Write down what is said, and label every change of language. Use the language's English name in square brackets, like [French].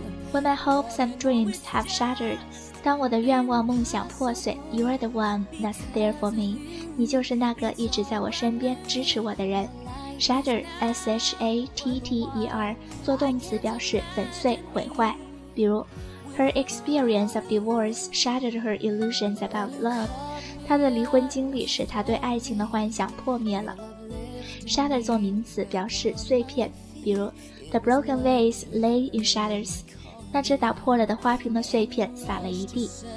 [English] When my hopes and dreams have shattered， [Chinese] 当我的愿望梦想破碎， [English] You are the one that's there for me， [Chinese] 你就是那个一直在我身边支持我的人。 Shatter, S-H-A-T-T-E-R, 做动词表示粉碎、毁坏。比如 [English] ,Her experience of divorce shattered her illusions about love. [Chinese] 她的离婚经历使她对爱情的幻想破灭了。 Shatter 做名词表示碎片。比如 [English] ,The broken vase lay in shatters. [Chinese] 那只打破了的花瓶的碎片洒了一地。